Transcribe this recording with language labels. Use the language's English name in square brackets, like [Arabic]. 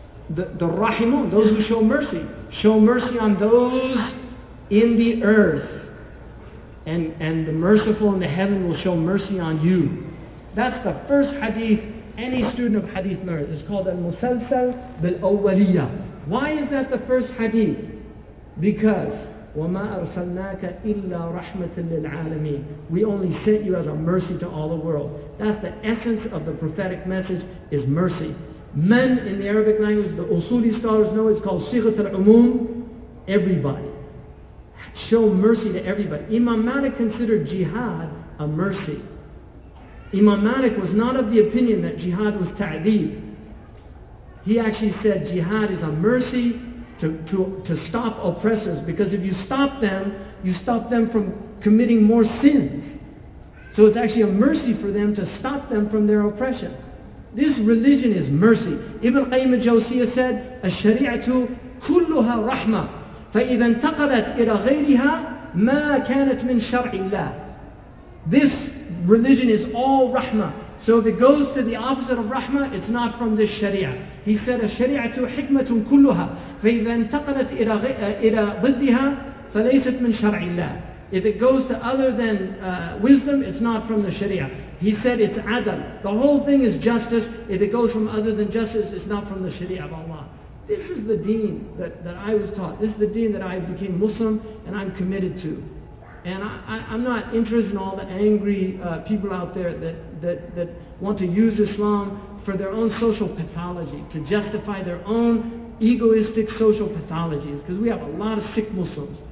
[English] The rahimun, those who show mercy on those in the earth, and the merciful in the heaven will show mercy on you. That's the first hadith any student of hadith learns. It's called al-musalsal bil-awwaliyya. Why is that the first hadith? Because [Arabic] وَمَا أَرْسَلْنَاكَ إِلَّا رَحْمَةً لِلْعَالَمِينَ. [English] We only sent you as a mercy to all the world. That's the essence of the prophetic message, is mercy. Men in the Arabic language, the Usuli scholars know, it's called Sighat al-Umum, everybody. Show mercy to everybody. Imam Malik considered jihad a mercy. Imam Malik was not of the opinion that jihad was ta'dib. He actually said jihad is a mercy to stop oppressors, because if you stop them from committing more sins. So it's actually a mercy for them to stop them from their oppression. This religion is mercy. Ibn Qayyim al-Jawziyyah said, [Arabic] "الشريعة كلها رحمة فإذا انتقلت إلى غيرها ما كانت من شرع الله." [English] This religion is all rahma. So if it goes to the opposite of rahma, it's not from this sharia. He said, [Arabic] "الشريعة حكمة كلها فإذا انتقلت إلى ضدها فليست من شرع الله." [English] If it goes to other than wisdom, it's not from the sharia. He said it's adal. The whole thing is justice. If it goes from other than justice, it's not from the sharia of Allah. This is the deen that I was taught. This is the deen that I became Muslim and I'm committed to. And I'm not interested in all the angry people out there that want to use Islam for their own social pathology, to justify their own egoistic social pathologies, because we have a lot of sick Muslims.